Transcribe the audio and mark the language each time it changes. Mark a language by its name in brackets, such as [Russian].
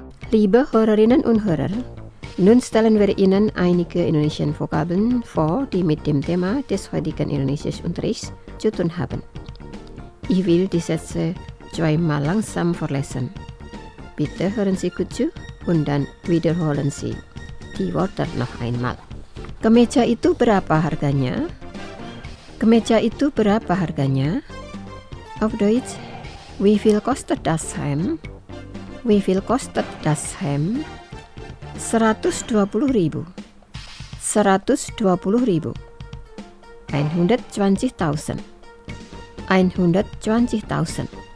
[German] Liebe Hörerinnen und Hörer, nun stellen wir Ihnen einige indonesischen Vokabeln vor, die mit dem Thema des heutigen indonesischen Unterrichts zu tun haben. Ich will die Sätze zweimal langsam vorlesen. Bitte hören Sie gut zu und dann wiederholen Sie die Worte noch einmal. [Indonesian] Kemeja itu berapa harganya? Kemeja itu berapa harganya? [German] Auf Deutsch, wie viel kostet das Hemd? Wie viel kostet das Hemd? [Indonesian] 120.000. 120.000. 120.000. 120.000.